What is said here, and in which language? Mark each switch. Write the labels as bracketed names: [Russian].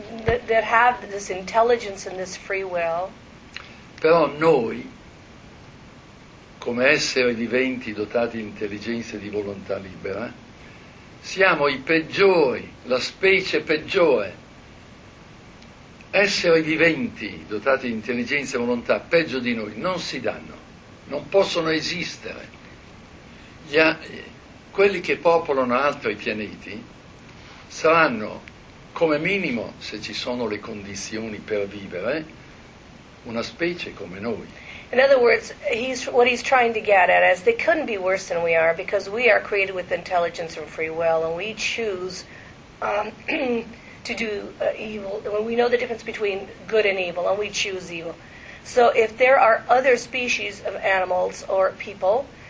[English] That have this intelligence and this free will. [Italian] Però noi, come esseri viventi dotati di intelligenza e di volontà libera, siamo i peggiori, la specie peggiore. Esseri viventi dotati di intelligenza e volontà peggio di noi non si danno, non possono esistere. Quelli che popolano altri pianeti saranno, come minimo, se ci sono le condizioni per vivere, una specie come noi. [English] In other words, what he's trying to get at is they couldn't be worse than we are because we are created with intelligence and free will, and we choose to do evil. We know the difference between good and evil, and we choose evil. So if there are other species of animals or people,